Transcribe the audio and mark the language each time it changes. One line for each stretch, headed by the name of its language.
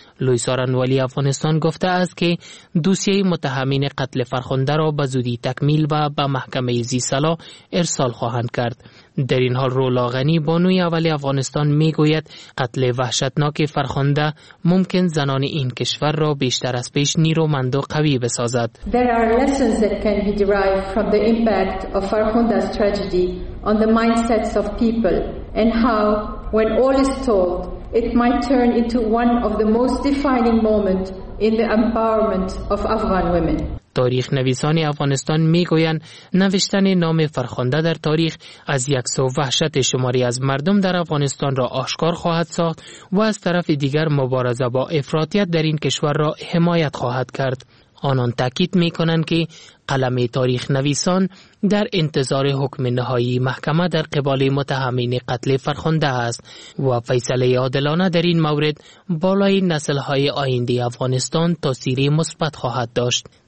Persian: لوی سارنوالی افغانستان گفته است که دوسیه متهمین قتل فرخنده را به زودی تکمیل و به محکمه زیصلا ارسال خواهند کرد. در این حال رولا غنی بانوی اول افغانستان میگوید قتل وحشتناک فرخنده ممکن زنان این کشور را بیشتر از پیش نیرومند و قوی بسازد.
English: There are lessons that can be derived from the impact of Farhunda's tragedy on the mindsets of people and how when all is told it might turn into one of the most defining moment in the empowerment of Afghan women.
Persian: تاریخ نویسان افغانستان میگویند نوشتن نام فرخنده در تاریخ از یک سو وحشت شماری از مردم در افغانستان را آشکار خواهد ساخت و از طرف دیگر مبارزه با افراطیت در این کشور را حمایت خواهد کرد. آنان تاکید میکنند که قلم تاریخ نویسان در انتظار حکم نهایی محکمه در قبال متهمین قتل فرخنده است و فیصله عادلانه در این مورد بالای نسل های آینده افغانستان تاثیر مثبت خواهد داشت.